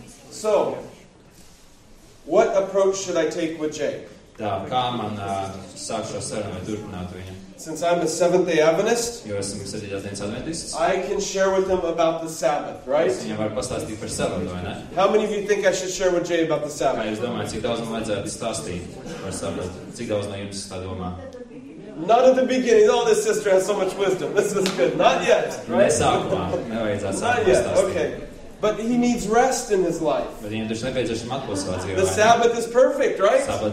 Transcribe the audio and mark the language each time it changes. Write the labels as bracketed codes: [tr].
[en] So, what approach should I take with Jay? [lv] Tā, kā man sāk šo sarunu vai turpināt viņu? [en] Since I'm a Seventh-day Adventist, [lv] jo esmu Septītās dienas Adventists, [en] I can share with him about the Sabbath, right? [lv] Es viņam varu pastāstīt par sabatu, vai ne? [en] How many of you think I should share with Jay about the Sabbath? [lv] Kā jūs domājat, cik daudz man vajadzētu stāstīt par sabatu? Cik daudz no jums tā domā? [en] Not at the beginning. Oh, this sister has so much wisdom. This is good. Not yet. Right? Not yet. Okay. But he needs rest in his life. The Sabbath is perfect, right?